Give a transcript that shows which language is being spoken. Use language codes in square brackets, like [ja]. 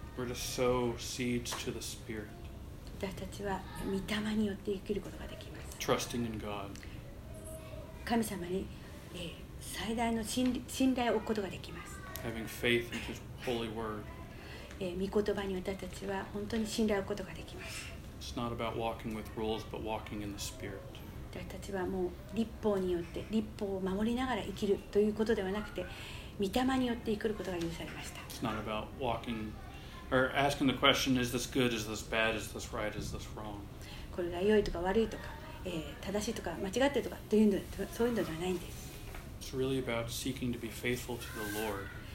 [en] We're to sow seeds to the Spirit. [ja] 私たちは御霊によって生きることができます。 [en] Trusting in God. [ja] 神様に、最大の信頼を置くことができます。 [en] Having faith in His holy word. [ja] 御言葉に私たちは本当に信頼を置くことができます。 [en] It's not about walking with rules, but walking in the Spirit. [ja] 私たちはもう律法によって律法を守りながら生きるということではなくて御霊によって生きることが許されました。 [en] It's not about walkingOr asking the question, is this good, is this bad, is this right, is this wrong? [ja] これが良いとか悪いとか、正しいとか間違ってるとかというのそういうのではないんです。 [en] It's really about seeking to be faithful to the Lord.